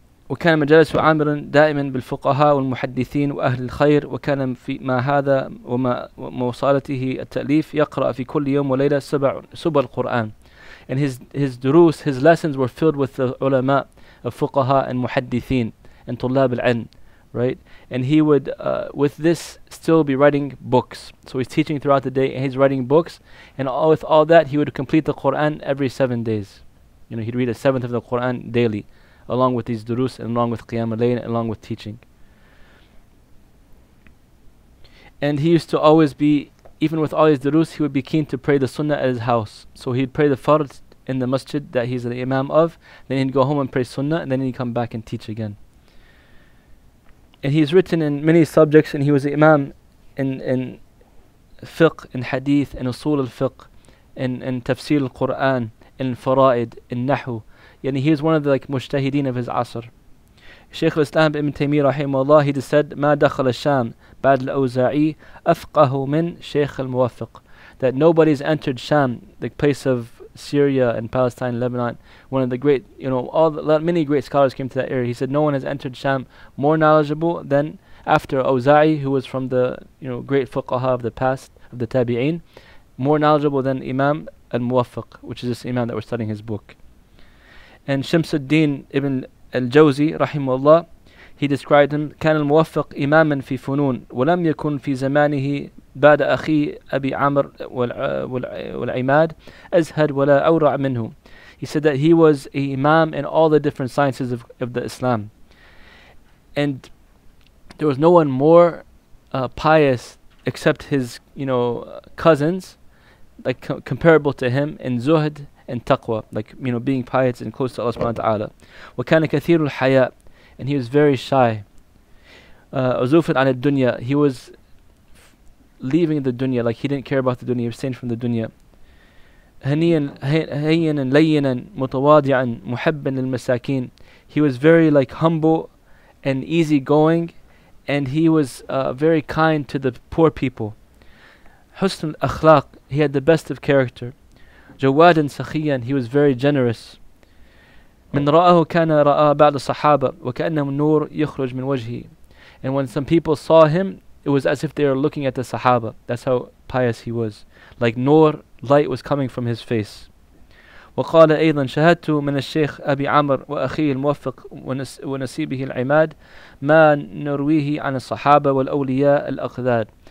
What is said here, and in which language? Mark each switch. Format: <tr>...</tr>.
<ar>وكان مجالسه عامرا دائما بالفقهاء والمحدثين وأهل الخير وكان في ما هذا وما موصلته التأليف يقرأ في كل يوم وليلة سبع القرآن.</ar> <en>And his durus, his lessons were filled with the ulama of fuqaha and muhaddithin and tulab al-ilm, right? And he would with this still be writing books. So he's teaching throughout the day and he's writing books, and with all that he would complete the Quran every 7 days. You know, he'd read a seventh of the Quran daily, along with these durus, and along with Qiyam al-Layl, and along with teaching. And he used to always be, even with all his durus, he would be keen to pray the sunnah at his house. So he'd pray the fard in the masjid that he's the imam of, then he'd go home and pray sunnah, and then he'd come back and teach again. And he's written in many subjects, and he was the imam in fiqh, in hadith, in usul al-fiqh, in tafsir al-Qur'an, in fara'id, in nahu. Yani he is one of the like mujtahideen of his asr. Shaykh al-Islam ibn Taymiyyah rahimahullah, he just said,</en> <ar>مَا دَخَلَ الشَّام بَعْدَ الْأَوْزَعِي أَفْقَهُ مِنْ شَيْخِ الْمُوَفِّقِ.</ar> <en>That nobody's entered Sham, the place of Syria and Palestine and Lebanon, one of the great, you know, many great scholars came to that area. He said, no one has entered Sham more knowledgeable than after Awza'i, who was from the, you know, great fuqaha of the past, of the tabi'een, more knowledgeable than Imam al-Muwafiq, which is this imam that we're studying his book. And Shamsuddin ibn al-Jawzi rahimahullah, he described him,</en> <ar>كان الموفق إماما في فنون ولم يكن في زمانه بعد أخي أبي عمر والعماد أزهد ولا أورع منه.</ar> <en>He said that he was an imam in all the different sciences of the Islam, and there was no one more pious except his, you know, cousins, like comparable to him in zuhd and taqwa, like, you know, being pious and close to Allah subhanahu wa ta'ala.</en> <ar>وَكَانَ كَثِيرُ الْحَيَاءِ.</ar> <en>And he was very shy.</en> <ar>عُزُوفٌ عَنَ الدُّنْيَا.</ar> <en>He was leaving the dunya, like he didn't care about the dunya, he abstained from the dunya.</en> <ar>هَيِّنًا لَيِّنًا مُتَوَاضِعًا مُحَبًّا لِلْمَسَاكِينَ.</ar> <en>He was very like humble and easygoing, and he was very kind to the poor people.</en> <ar>حُسْنُ الْأَخْلَاقِ.</ar> <en>He had the best of character.</en> <ar>جوادًا سخيًا.</ar> <en>He was very generous.</en> <ar>من رآه كان رآه بعض الصحابة وكأنه نور يخرج من وجهه.</ar> <en>And when some people saw him, it was as if they were looking at the Sahaba. That's how pious he was. Like nur, light was coming from his face.</en> <ar>وقال أيضا شهدت من الشيخ أبي عمر وأخيه الموفق ونسيبه العماد ما نرويه عن الصحابة والأولياء الأقذار.</ar>